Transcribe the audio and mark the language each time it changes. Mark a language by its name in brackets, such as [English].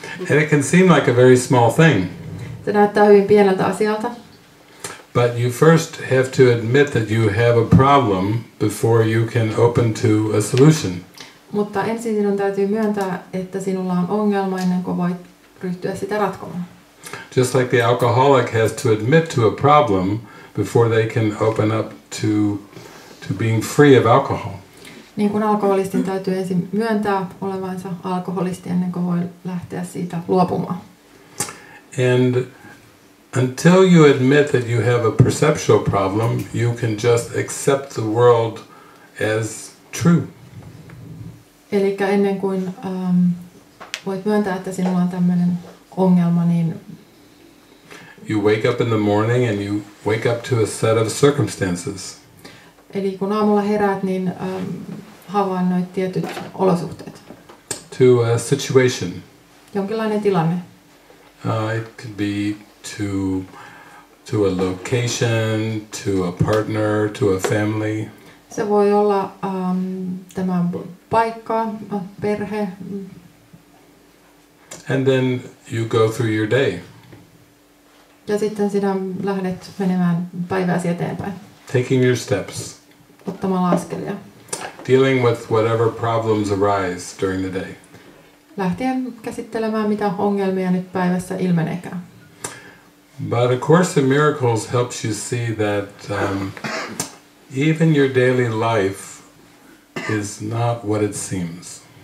[English] And it can seem like a very small thing. [Finnish] Se näyttää hyvin pieneltä asialta. [English] But you first have to admit that you have a problem before you can open to a solution. [Finnish] Mutta ensin sinun täytyy myöntää, että sinulla on ongelma ennen kuin voit ryhtyä sitä ratkomaan. [English] Just like the alcoholic has to admit to a problem before they can open up to being free of alcohol. [Finnish] Niin kuin alkoholistin täytyy ensin myöntää olevansa alkoholisti ennen kuin voi lähteä siitä luopumaan. [English] And until you admit that you have a perceptual problem, you can just accept the world as true. [Finnish] Eli ennen kuin voit myöntää, että sinulla on tämmöinen ongelma, niin [English] you wake up in the morning and you wake up to a set of circumstances. [Finnish] Eli kun aamulla heräät, niin havainnoit tietyt olosuhteet. [English] To a situation. [Finnish] Jonkinlainen tilanne. [English] It could be to a location, to a partner, to a family. [Finnish] Se voi olla tämä paikka, perhe. [English] And then you go through your day. [Finnish] Ja sitten sinä lähdet menemään päivääsi eteenpäin. [English] Taking your steps. [Finnish] Ottamalla askelia. [English] Dealing with whatever problems arise during the day. [Finnish] Lähtien käsittelemään, mitä ongelmia nyt päivässä ilmeneekään. [English] But A Course in Miracles helps you see that even your daily life is not what it seems.